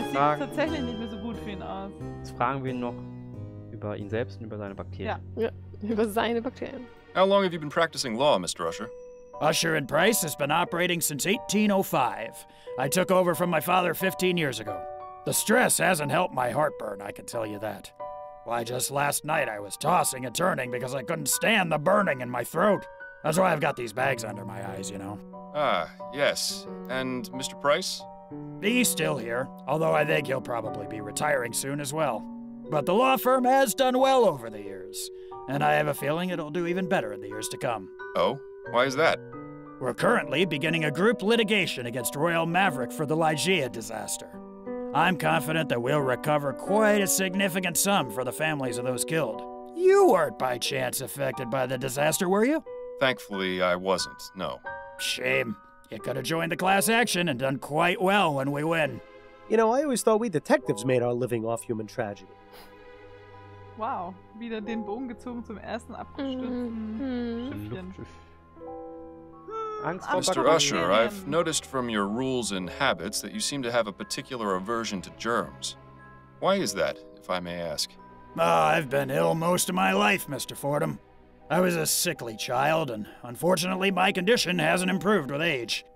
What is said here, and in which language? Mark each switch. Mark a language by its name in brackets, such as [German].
[German] es sieht tatsächlich nicht mehr so gut für ihn aus. Jetzt fragen wir ihn noch über ihn selbst und über seine Bakterien. Ja, ja, über seine Bakterien. [English] How long have you been practicing law, Mr. Usher? Usher and Price has been operating since 1805. I took over from my father 15 years ago. The stress hasn't helped my heartburn, I can tell you that. Why, just last night I was tossing and turning because I couldn't stand the burning in my throat. That's why I've got these bags under my eyes, you know. Ah, yes. And Mr. Price? He's still here, although I think he'll probably be retiring soon as well. But the law firm has done well over the years, and I have a feeling it'll do even better in the years to come. Oh? Why is that? We're currently beginning a group litigation against Royal Maverick for the Lygia disaster. I'm confident that we'll recover quite a significant sum for the families of those killed. You weren't by chance affected by the disaster, were you? Thankfully, I wasn't, no. Shame. You could have joined the class action and done quite well when we win. You know, I always thought we detectives made our living off human tragedy. Wow. [German] Wieder den Bogen gezogen zum ersten abgestürzten Schiffchen. [English] Mr. Usher, I've noticed from your rules and habits that you seem to have a particular aversion to germs. Why is that, if I may ask? I've been ill most of my life, Mr. Fordham. I was a sickly child, and unfortunately my condition hasn't improved with age.